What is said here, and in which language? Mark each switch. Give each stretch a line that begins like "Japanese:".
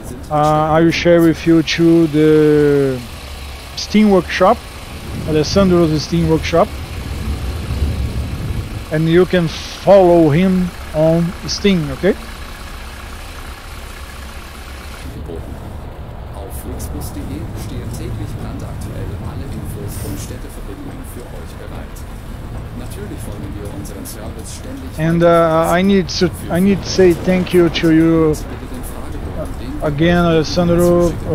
English: I will share with you too the Steam workshop, Alessandro's Steam workshop. And you can follow him on Steam, okay?
German: Auf flixbus.de stehen täglich brandaktuell alle Infos und Städteverbindungen für euch bereit. Natürlich folgen wir unseren Service ständig.
English: And I need to say thank you to you again, Alessandro.